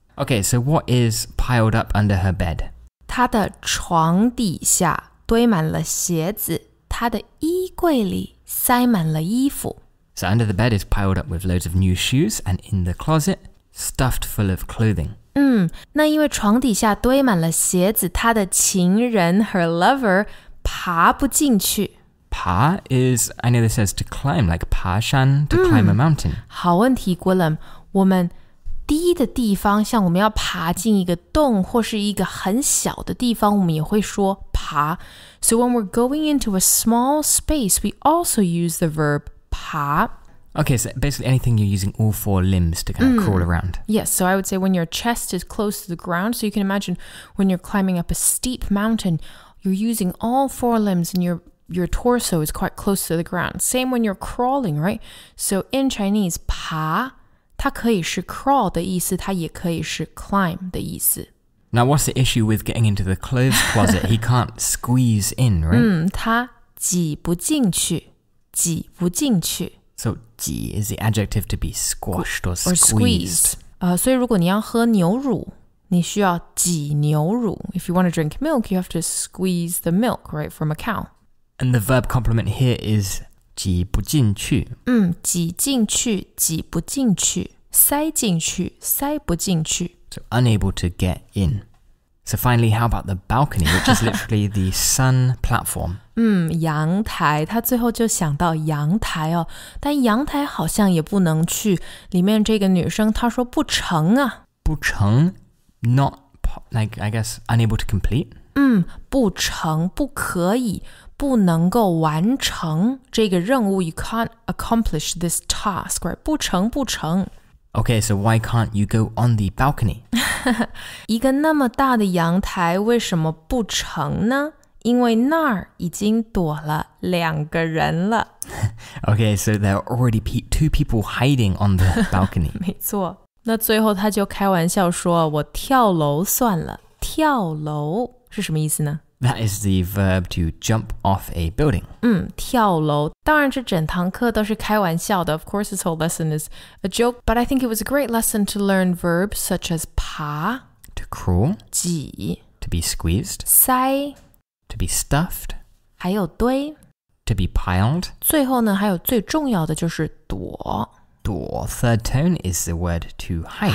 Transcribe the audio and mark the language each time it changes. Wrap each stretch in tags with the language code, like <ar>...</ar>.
<en>Okay, so what is piled up under her bed?</en> <zh>她的床底下堆满了鞋子,她的衣柜里塞满了衣服。</zh> <en>So under the bed is piled up with loads of new shoes, and in the closet, stuffed full of clothing.</en> <zh>那因为床底下堆满了鞋子,她的情人,</zh> <en>her lover,</en> <zh>爬不进去。</zh> <en>爬 is, I know this says to climb, like 爬山, to climb a mountain.</en> <zh>好问题 Gwilym, 我们低的地方像我们要爬进一个洞或是一个很小的地方我们也会说爬。</zh> <en>So when we're going into a small space, we also use the verb 爬。 Okay, so basically anything you're using all four limbs to kind of crawl around. Yes, so I would say when your chest is close to the ground, so you can imagine when you're climbing up a steep mountain, you're using all four limbs and your torso is quite close to the ground. Same when you're crawling, right? So in Chinese, 爬,</en> <zh>它可以是 crawl 的意思, 它也可以是 climb 的意思。</zh> <en>Now, what's the issue with getting into the clothes closet? He can't squeeze in, right?</en> <zh>他挤不进去，挤不进去。</zh> <en>So, 挤 is the adjective to be squashed or squeezed. Or squeezed.</en> <zh>所以如果你要喝牛乳，你需要挤牛乳。</zh> <en>If you want to drink milk, you have to squeeze the milk, right, from a cow. And the verb complement here is 挤不进去。</en> <zh>挤进去，挤不进去。塞进去，塞不进去。</zh> <en>So, unable to get in. So, finally, how about the balcony, which is literally the sun platform?</en> <zh>阳台，他最后就想到阳台哦。但阳台好像也不能去。里面这个女生她说不成啊。</zh> <en>不成 ？Not like I guess unable to complete.</en> <zh>不成，不可以，不能够完成这个任务。</zh> <en>You can't accomplish this task, right?</en> <zh>不成，不成。</zh> <en>Okay, so why can't you go on the balcony?</en> <zh>一个那么大的阳台为什么不成呢？因为那儿已经躲了两个人了。 Okay, so there are already two people hiding on the balcony. 没错。那最后他就开玩笑说，我跳楼算了。跳楼是什么意思呢？</zh> <en>That is the verb to jump off a building.</en> <zh>跳楼。当然这整堂课都是开玩笑的。</zh> <en>Of course, this whole lesson is a joke, but I think it was a great lesson to learn verbs such as 爬, to crawl,</en> <zh>挤,</zh> <en>to be squeezed,</en> <zh>塞,</zh> <en>to be stuffed,</en> <zh>还有堆,</zh> <en>to be piled.</en> <zh>最后呢，还有最重要的就是躲。</zh> <en>躲, third tone is the word to hide.</en>